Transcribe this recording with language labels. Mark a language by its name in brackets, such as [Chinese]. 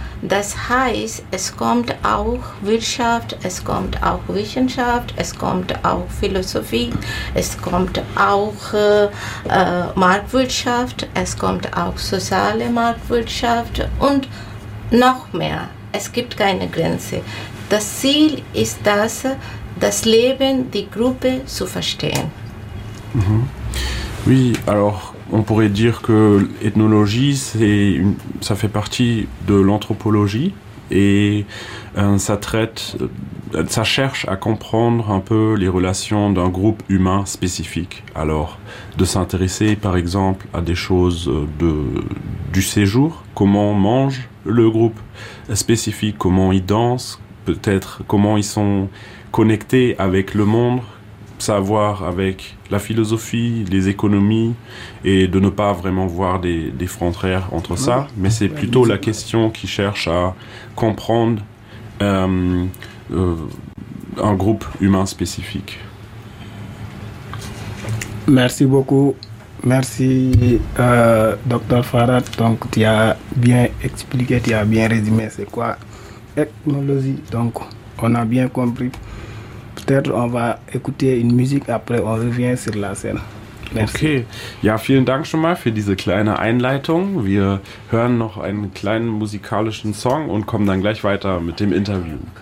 [German] Das heißt, es kommt auch Wirtschaft, es kommt auch Wissenschaft, es kommt auch Philosophie, es kommt auch Marktwirtschaft, es kommt auch soziale Marktwirtschaft und noch mehr. Es gibt keine Grenze. Das Ziel ist das Leben, die Gruppe zu verstehen. [French] Mhm. Oui, alors. On pourrait dire que l'ethnologie, ça fait partie de l'anthropologie et ça cherche à comprendre un peu les relations d'un groupe humain spécifique. Alors, de s'intéresser par exemple à des choses du séjour, comment mange le groupe spécifique, comment ils dansent, peut-être comment ils sont connectés avec le monde. Savoir avec la philosophie, les économies, et de ne pas vraiment voir des frontières entre ça, mais c'est plutôt la question qui cherche à comprendre un groupe humain spécifique. Merci beaucoup. Merci, Dr. Farad. Donc, tu as bien expliqué, tu as bien résumé c'est quoi l'ethnologie. Donc, on a bien compris. Peut-être on va écouter une musique, après on revient sur la scène. Merci. [German] Okay, ja, vielen Dank schon mal für diese kleine Einleitung. Wir hören noch einen kleinen musikalischen Song und kommen dann gleich weiter mit dem Interview.